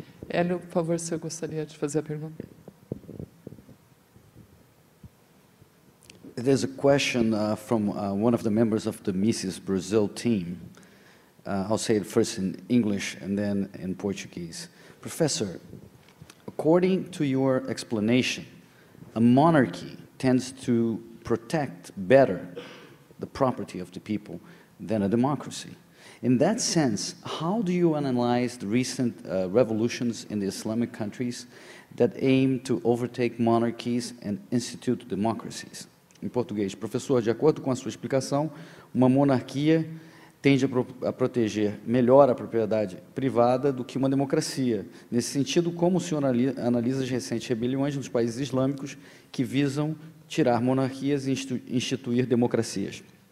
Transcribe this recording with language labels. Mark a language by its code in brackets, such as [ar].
[pt] Hélio, por favor, se eu gostaria de fazer a pergunta. [en] There's a question from one of the members of the Mises Brazil team. I'll say it first in English and then in Portuguese. Professor, according to your explanation, a monarchy tends to protect better the property of the people than a democracy. In that sense, how do you analyze the recent revolutions in the Islamic countries that aim to overtake monarchies and institute democracies? [pt] Em português, professor, de acordo com a sua explicação, uma monarquia tende a proteger melhor a propriedade privada do que uma democracia. Nesse sentido, como o senhor analisa as recentes rebeliões nos países islâmicos que visam tirar monarquias e instituir democracias?